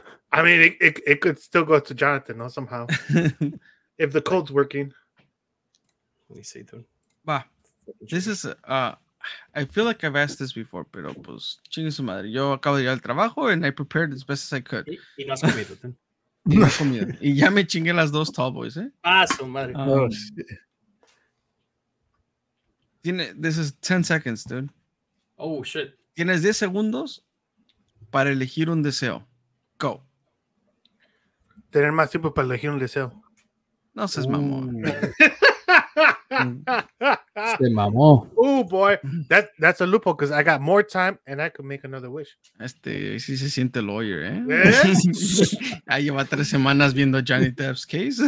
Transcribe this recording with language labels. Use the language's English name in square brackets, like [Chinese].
[English] I mean, it could still go to Jonathan, no, somehow. If the code's working. Let me see, dude. Va. This is... I feel like I've asked this before, [Spanish] pero pues, chingue su madre. Yo acabo de ir al trabajo [English] and I prepared as best as I could. [Spanish] Y no has comido, ¿tú? Y ya me chingué las dos [English] tall boys, [Spanish] ¿eh? Ah, su madre. Oh, tiene, [English] this is 10 seconds, dude. Oh, shit. [Spanish] Tienes 10 segundos para elegir un deseo. [English] Go. [Spanish] Tener más tiempo para elegir un deseo. No seas mamón. Se mamó. [English] Oh, boy. That's a loophole because I got more time and I could make another wish. [Spanish] Este sí se siente lawyer, ¿eh? Ahí lleva tres semanas viendo Johnny Depp's case.